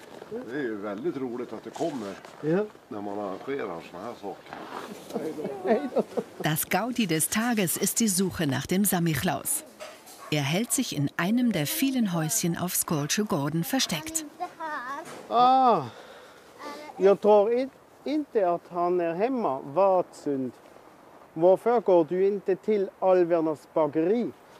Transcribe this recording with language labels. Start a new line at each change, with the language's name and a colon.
Swedish: Det är ju väldigt roligt att det kommer, ja, när man arrangerar såna här saker.
German: Das Gaudi des Tages ist die Suche nach dem Samichlaus. Er hält sich in einem der vielen Häuschen auf Skolche Gordon versteckt.
Swedish: Ah, jag tror inte att han är hemma. Vatsund. Varför går du inte till Alvernas bageri?